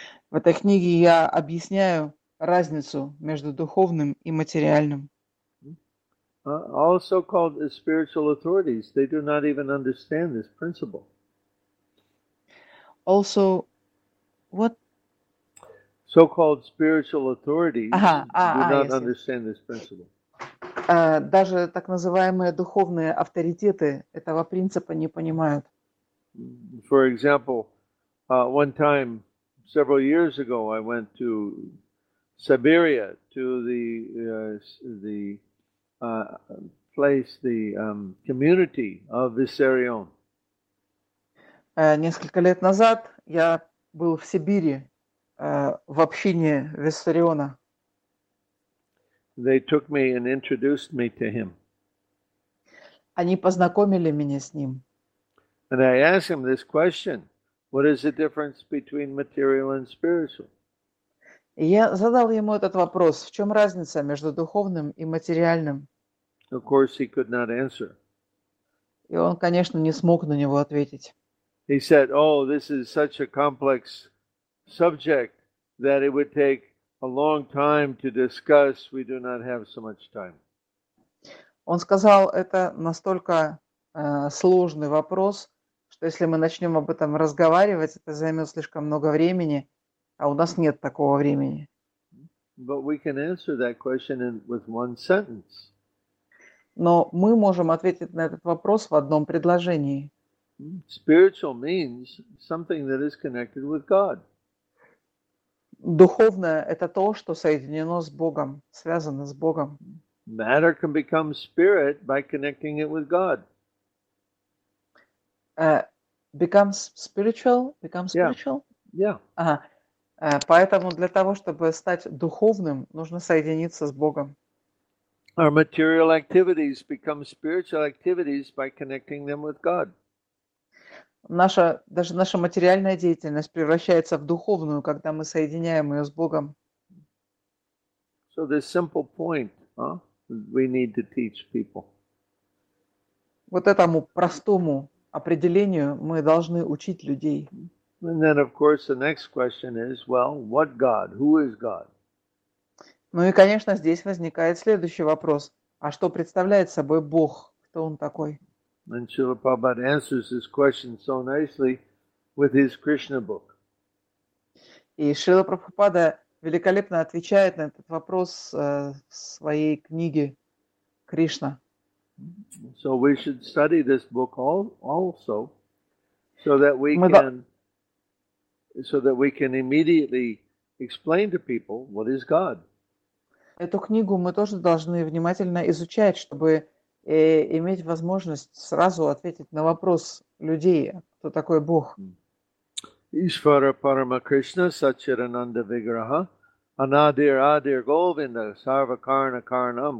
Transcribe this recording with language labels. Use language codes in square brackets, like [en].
[ru] В этой книге я объясняю разницу между духовным и материальным. [en] Also called the spiritual authorities, they do not even understand this principle. Also, what? So-called spiritual authorities do not yes, understand this principle. [ru] Даже так называемые духовные авторитеты этого принципа не понимают. [en] For example, one time, several years ago, I went to Siberia to the community of Виссарион. [ru] Несколько лет назад я был в Сибири, в общине Виссариона. [en] They took me and introduced me to him. [ru] Они познакомили меня с ним. [en] And I asked him this question: what is the difference between material and spiritual? [ru] И я задал ему этот вопрос: в чем разница между духовным и материальным? [en] Of course, he could not answer. [ru] И он, конечно, не смог на него ответить. [en] He said, "Oh, this is such a complex subject that it would take a long time to discuss. We do not have so much time." [ru] Он сказал, это настолько сложный вопрос, что если мы начнем об этом разговаривать, это займет слишком много времени, а у нас нет такого времени. [en] But we can answer that question with one sentence. [ru] Но мы можем ответить на этот вопрос в одном предложении. [en] Spiritual means something that is connected with God. [ru] Духовное – это то, что соединено с Богом, связано с Богом. [en] Matter can become spirit by connecting it with God. Becomes spiritual? Yeah. [ru] Поэтому для того, чтобы стать духовным, нужно соединиться с Богом. [en] Our material activities become spiritual activities by connecting them with God. [ru] Даже наша материальная деятельность превращается в духовную, когда мы соединяем ее с Богом. [en] So this simple point, we need to teach people. [ru] Вот этому простому определению мы должны учить людей. [en] And then, of course, the next question is, well, what God? Who is God? [ru] Ну и, конечно, здесь возникает следующий вопрос. А что представляет собой Бог? Кто Он такой? [en] And Srila Prabhupada answers this question so nicely with his Krishna book. [ru] И Шрила Прабхупада великолепно отвечает на этот вопрос в своей книге «Кришна». [en] So we should study this book also, so that we can immediately explain to people what is God. [ru] Эту книгу мы тоже должны внимательно изучать, чтобы иметь возможность сразу ответить на вопрос людей, кто такой Бог. [sa] Ишвара Парама Кришна Сачирананда Виграха Анадир Адир Говинда Сарва Карна Карнам.